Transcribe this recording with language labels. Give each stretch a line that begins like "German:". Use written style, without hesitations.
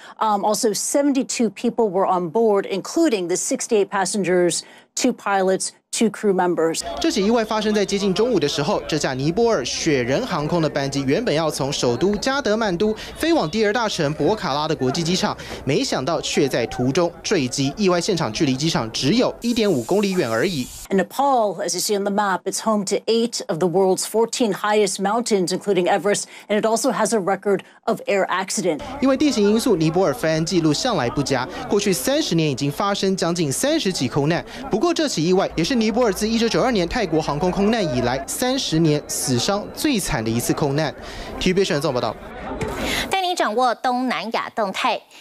English: Also, 72 people were on board, including the 68 passengers, two pilots, two crew members.
Chinese: 这起意外发生在接近中午的时候，这架尼泊尔雪人航空的班机原本要从首都加德曼都飞往第二大城博卡拉的国际机场，没想到却在途中坠机。意外现场距离机场只有1.5公里远而已。
English: Nepal, as you see on the map, it's home to 8 of the world's 14 highest mountains, including Everest, and it also has a record of air accident.
Chinese: 因为地形因素，尼泊尔飞安记录向来不佳。过去30年已经发生将近30起空难，不过这起意外也是尼泊尔自1992年泰国航空空难以来30年死伤最惨的一次空难。 TVBS 新闻报道，带你掌握东南亚动态。